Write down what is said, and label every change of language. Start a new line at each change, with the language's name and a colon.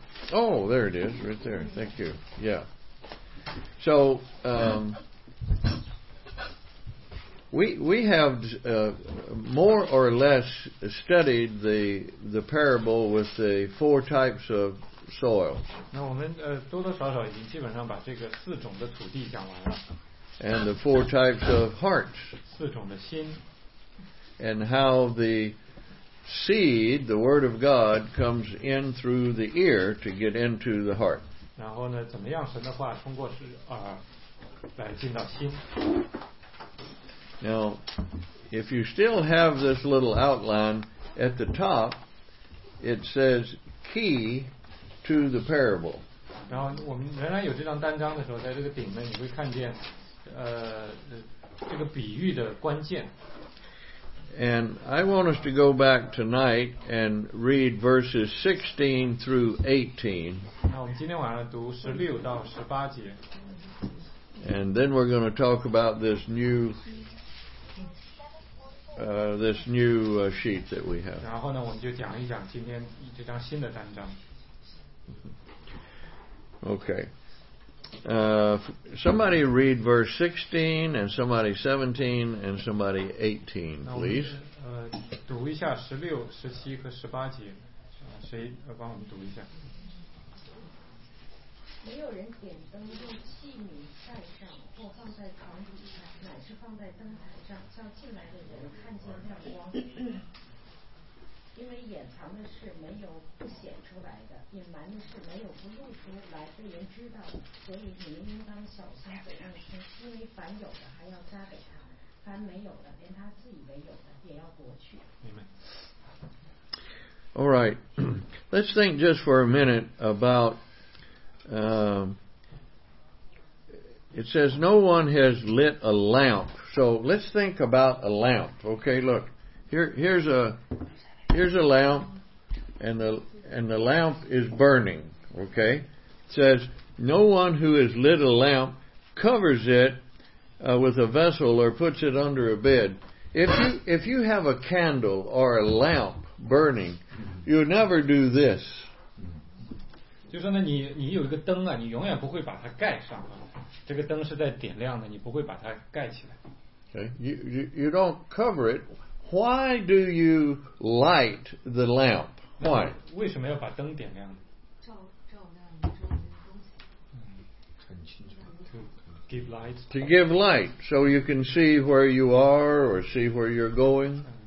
English: Oh, there it is, right there. Thank you. Yeah. So, we have more or less studied the parable with the four types of soil.
Chinese: 那我们多多少少已经基本上把这个四种的土地讲完了。
English: And the four types of hearts.
Chinese: 四种的心。
English: And how the seed, the word of God, comes in through the ear to get into the heart.
Chinese: 然后呢，怎么样神的话通过是耳来进到心。
English: Now, if you still have this little outline at the top, it says key to the parable.
Chinese: 然后我们仍然有这张单张的时候，在这个顶呢，你会看见，这个比喻的关键。
English: And I want us to go back tonight and read verses 16 through 18.
Chinese: 那我们今天晚上读16到18节。
English: And then we're going to talk about this new. This new sheet that we have.
Chinese: 然后呢，我们就讲一讲今天这张新的单张。
English: Okay. Somebody read verse 16 and somebody 17 and somebody 18, please.
Chinese: 读一下16、17和18节，谁帮我们读一下？没有人点灯用器皿盖上或放在床底下，乃是放在灯台上，叫进来的人看见亮光。因为掩藏的事没有不显出来的，隐瞒的事没有不露出来被人知道的，所以你们应当小心嘴上的心，因为凡有的还要加给他，凡没有的连他自以为有的也要夺去。
English: All right, let's think just for a minute about it says no one has lit a lamp. So let's think about a lamp. Okay, look, here's a lamp, and the lamp is burning. Okay, it says no one who has lit a lamp covers it with a vessel or puts it under a bed. If you have a candle or a lamp burning, you'll never do this.
Chinese: 就是说呢，你有一个灯啊，你永远不会把它盖上，这个灯是在点亮的，你不会把它盖起来。
English: Okay, you don't cover it. Why do you light the lamp? Why?
Chinese: 为什么要把灯点亮？
English: To give light, so you can see where you are or see where you're going.